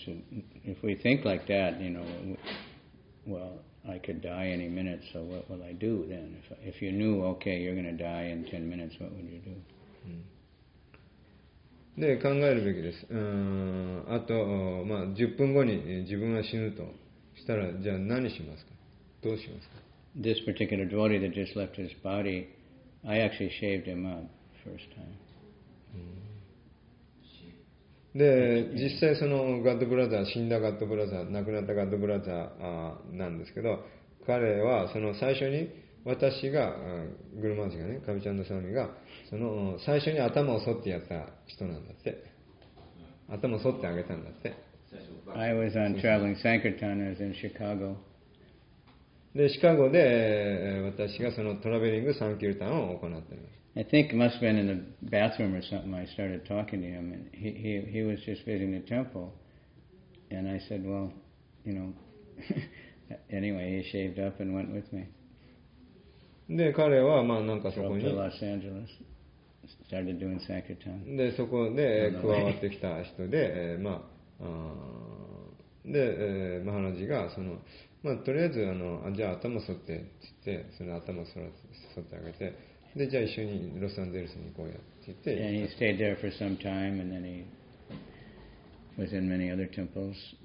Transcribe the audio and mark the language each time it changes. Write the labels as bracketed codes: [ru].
[en] So if we think like that, you know, well, I could die any minute. So what will I do then? If you knew, okay, you're going to die in 10 minutes, what would you do?、 [ja] うん、で考えるべきです。あと、まあ、10分後に自分が死ぬとしたら、じゃあ何しますか？どうしますか？ [en] This particular devotee that just left his body, I actually shaved him up first time.、うん、 [ja] で実際そのガッドブラザー、死んだガッドブラザー、亡くなったガッドブラザーなんですけど、彼はその最初に私がグルマージがね、カビチャンダサワミがその最初に頭を剃ってやった人なんだって、頭を剃ってあげたんだって。 [en] I was on traveling Sankirtan as in Chicago. [ja] でシカゴで私がそのトラベリングサンキルタンを行っています。 [en] I think it must have been in the bathroom or something. I started talking to him, and he was just visiting the temple. And I said, well, you know, anyway, he shaved up and went with me. [ja] で、彼はまあなんかそこに。 [en] Drove to Los Angeles, started doing Sankirtan. [ja] で、そこで加わってきた人で、まあ、で、マハラジがその、まあ、とりあえずじゃあ頭剃ってって、その頭剃ってあげて、でじゃあ一緒にロサンゼルスに行こうやって言って、 [en] and he stayed there for some time, and then he was in many other temples.